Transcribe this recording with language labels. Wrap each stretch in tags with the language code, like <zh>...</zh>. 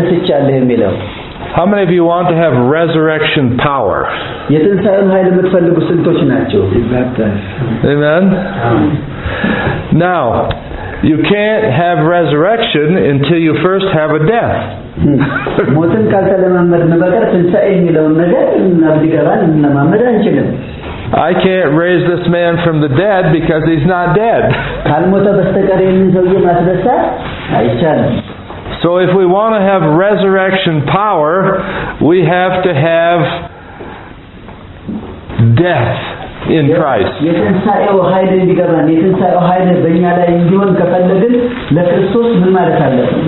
<en>How many of you want to have resurrection power? Amen. Now, You can't have resurrection until you first have a death.</en> <am>ሞትን ካልተለማመድን በቀር ትንሳኤ የሚለውን ነገር እናብዲገባን እናማመድ አንችልም።</am> <en>I can't raise this man from the dead because he's not dead.</en> <am>ካልሞተ በስተቀር ይህን ሰውዬ ማስነሳት አይቻልም።</am> <en>So if we want to have resurrection power, we have to have death. In Christ.</en> <am>የትንሳኤው ኃይል እንዲገባን የትንሳኤው ኃይል በእኛ ላይ እንዲሆን ከፈለግን ለክርስቶስ ምን ማለት አለብን?</am>